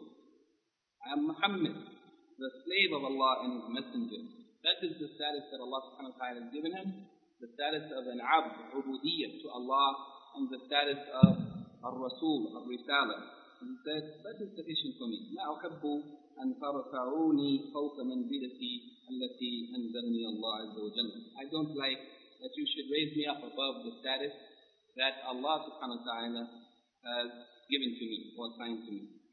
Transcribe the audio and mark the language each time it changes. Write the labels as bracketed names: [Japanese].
[English] I am Muhammad, the slave of Allah and His Messenger. That is the status that Allah subhanahu wa ta'ala has given him, the status of an abd, ubudiyyah to Allah, and the status of a rasul, of risalah. And he said, that is sufficient for me. [Arabic] ما أحب أن ترفعوني فوق منزلتي التي أنزلني الله عز وجل. [English] I don't like that you should raise me up above the status that Allah subhanahu wa ta'ala has given to me or assigned to me.